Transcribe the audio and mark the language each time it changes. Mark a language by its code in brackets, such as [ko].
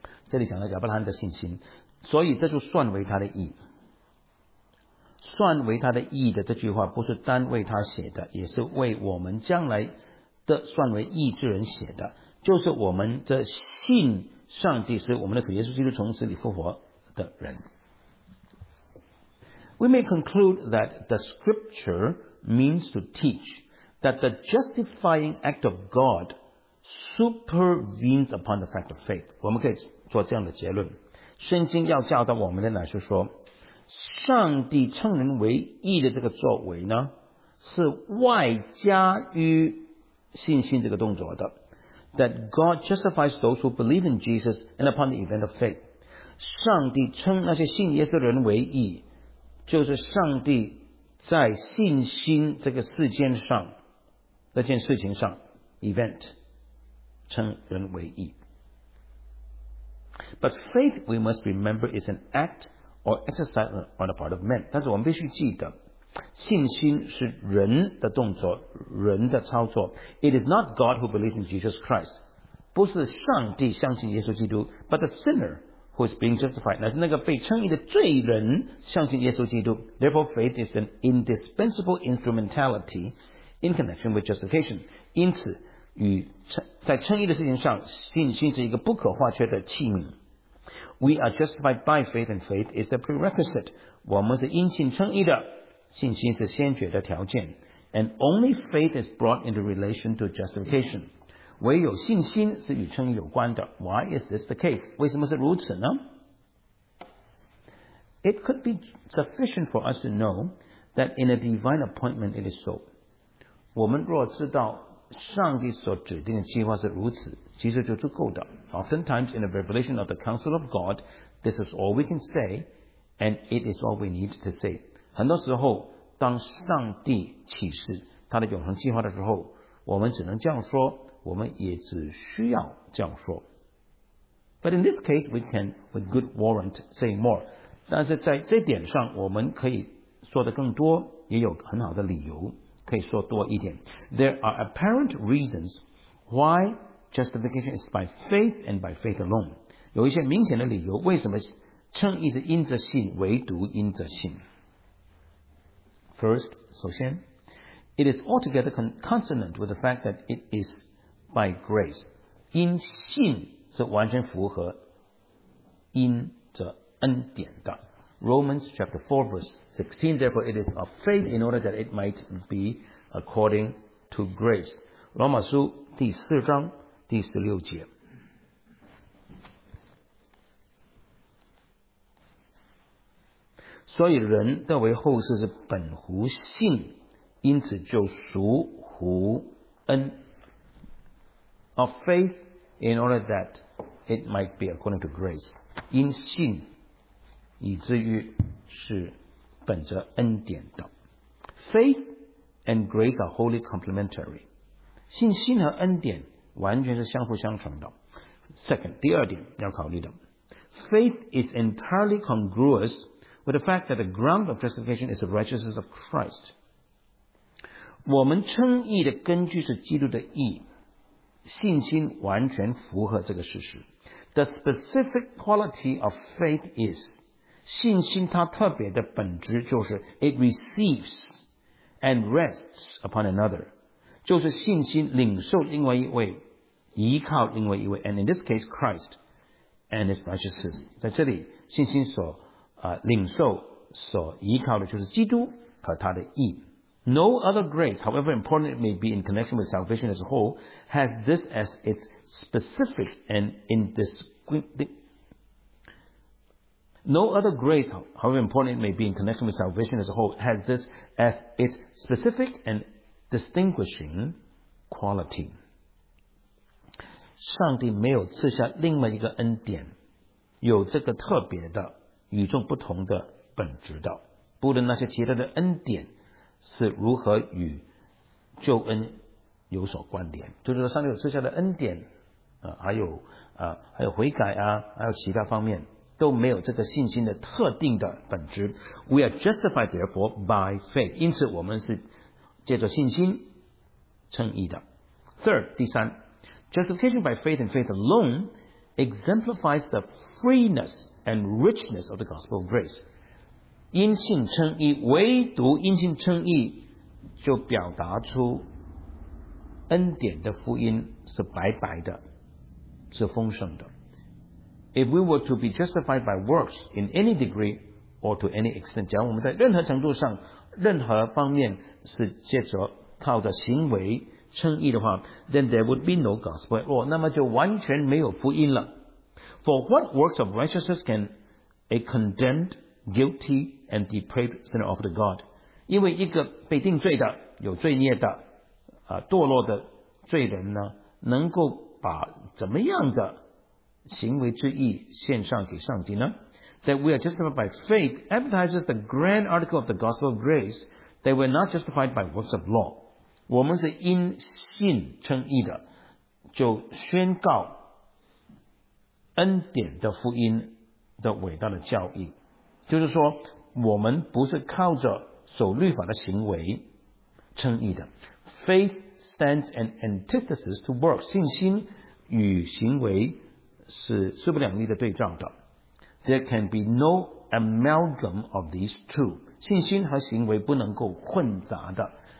[zh] 这里讲到亚伯拉罕的信心，所以这就算为他的义。算为他的义的这句话不是单为他写的，也是为我们将来的算为义之人写的，就是我们这信上帝是我们的主耶稣基督从死里复活的人。 [en] We may conclude that the scripture means to teach that the justifying act of God supervenes upon the fact of faith. [zh] 我们可以做这样的结论，圣经要教导我们的乃是说，上帝称人为义的这个作为呢，是外加于信心这个动作的。 [en] That God justifies those who believe in Jesus and upon the event of faith. [zh] 上帝称那些信耶稣的人为义，就是上帝在信心这个事件上，那件事情上 event 称人为义。 [en] But faith, we must remember, is an actor exercise on the part of men. [zh] 但是我们必须记得，信心是人的动作，人的操作。 [en] It is not God who believes in Jesus Christ. [zh] 不是上帝相信耶稣基督， [en] but the sinner who is being justified. [zh] 那是那个被称义的罪人相信耶稣基督。 [en] Therefore, faith is an indispensable instrumentality in connection with justification. [zh] 因此与在称义的事情上，信心是一个不可或缺的器皿。 [en] We are justified by faith, and faith is the prerequisite. [zh] 我们是因信称义的，信心是先决的条件。 [en] And only faith is brought into relation to justification. [zh] 唯有信心是与称义有关的。 [en] Why is this the case? [zh] 为什么是如此呢？ [en] It could be sufficient for us to know that in a divine appointment it is so. [zh] 我们若知道上帝所指定的计划是如此，其实就足够的。 [en] Oftentimes in a revelation of the counsel of God, this is all we can say, and it is all we need to say. [zh] 很多时候，当上帝启示他的永恒计划的时候，我们只能这样说，我们也只需要这样说。 [en] But in this case, we can with good warrant say more. [zh] 但是在这点上，我们可以说的更多，也有很好的理由可以说多一点。 [en] There are apparent reasons why justification is by faith and by faith alone. [zh] 有一些明显的理由，为什么称义是因着信，唯独因着信。 [en] First, [zh] 首先, [en] it is altogether consonant with the fact that it is by grace. [zh] 因信是完全符合因着恩典的。 [en] Romans chapter 4 verse 16, therefore it is of faith in order that it might be according to grace. [zh] 罗马书第四章第十六节。所以人得为后世是本乎信，因此就属乎恩。 [en] Of faith in order that it might be according to grace. [zh] 因信以至于是本着恩典的。 [en] Faith and grace are wholly complementary. [zh] 信心和恩典完全是相互相成的。 [en] Second, [zh] 第二点要考虑的。 [en] Faith is entirely congruous with the fact that the ground of justification is the righteousness of Christ. [zh] 我们称义的根据是基督的义，信心完全符合这个事实。 [en] The specific quality of faith is... [zh] 信心它特别的本质就是 [en] it receives and rests upon another, [zh] 就是信心领受另外一位， [en] 依靠另外一位， and in this case Christ and his righteousness. [zh] 在这里信心所领受所依靠的就是基督和他的义。 [en] No other grace, however important it may be in connection with salvation as a whole, has this as its specific and indiscriminate. No other grace, however important it may be in connection with salvation as a whole, has this as its specific and distinguishing quality. [zh] 上帝没有赐下另外一个恩典，有这个特别的、与众不同的本质的。不论那些其他的恩典是如何与救恩有所关联，就是说上帝有赐下的恩典，还有悔改啊，还有其他方面。都没有这个信心的特定的本质。 [en] We are justified therefore by faith. [zh] 因此我们是借着信心称义的。 [en] Third, [zh] 第三, [en] justification by faith and faith alone exemplifies the freeness and richness of the gospel of grace. [zh] 因信称义，唯独因信称义就表达出恩典的福音是白白的，是丰盛的。 [en] If we were to be justified by works in any degree or to any extent, [zh] 假如我们在任何程度上、任何方面是借着靠着行为称义的话， [en] then there would be no gospel at all. [zh] 那么就完全没有福音了。 [en] For what works of righteousness can a condemned, guilty, and depraved sinner offer to God? [zh] 因为一个被定罪的、有罪孽的、堕落的罪人呢，能够把怎么样的行为之义献上给上帝呢？ [en] That we are justified by faith advertises the grand article of the gospel of grace that we are not justified by works of law. [zh] 我们是因信称义的，就宣告恩典的福音的伟大的教义。就是说，我们不是靠着守律法的行为称义的。 [en] Faith stands an antithesis to works. [zh] 信心与行为是势不两立的对照的。 [en] There can be no amalgam of these two. [zh] 信心和行为不能够混杂的。